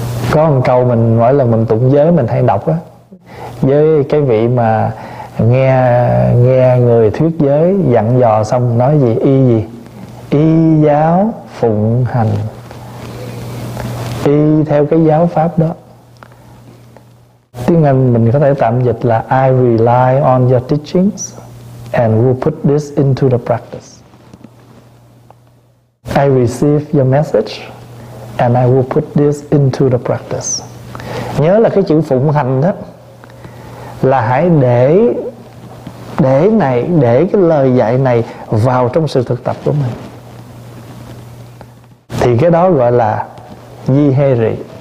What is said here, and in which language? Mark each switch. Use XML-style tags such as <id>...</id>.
<vi>Có một câu mình mỗi lần mình tụng giới mình hay đọc á, với cái vị mà nghe nghe người thuyết giới dặn dò xong nói gì, y gì, y giáo phụng hành, y theo cái giáo pháp đó. Tiếng Anh mình có thể tạm dịch là</vi> <en>I rely on your teachings and will put this into the practice. I receive your message and I will put this into the practice.</en> <vi>Nhớ là cái chữ phụng hành đó, là hãy để này, để cái lời dạy này vào trong sự thực tập của mình. Thì cái đó gọi là di hê rị.</vi>